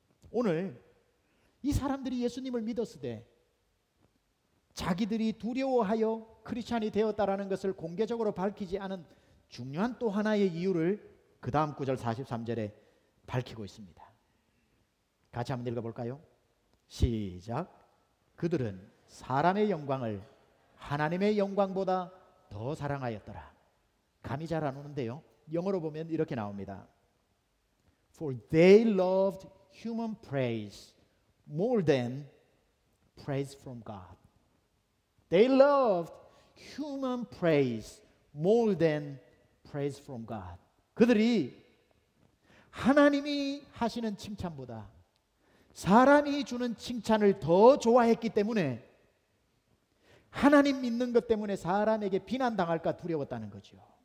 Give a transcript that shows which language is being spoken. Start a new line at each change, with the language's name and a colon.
Korean: 오늘 이 사람들이 예수님을 믿었을 때 자기들이 두려워하여 크리스찬이 되었다라는 것을 공개적으로 밝히지 않은 중요한 또 하나의 이유를 그 다음 구절 43절에 밝히고 있습니다. 같이 한번 읽어볼까요? 시작. 그들은 사람의 영광을 하나님의 영광보다 더 사랑하였더라. 감이 잘 안 오는데요. 영어로 보면 이렇게 나옵니다.
English: For they loved human praise more than praise from God. They loved human praise more than praise from God.
Korean: 그들이 하나님이 하시는 칭찬보다 사람이 주는 칭찬을 더 좋아했기 때문에 하나님 믿는 것 때문에 사람에게 비난당할까 두려웠다는 거죠.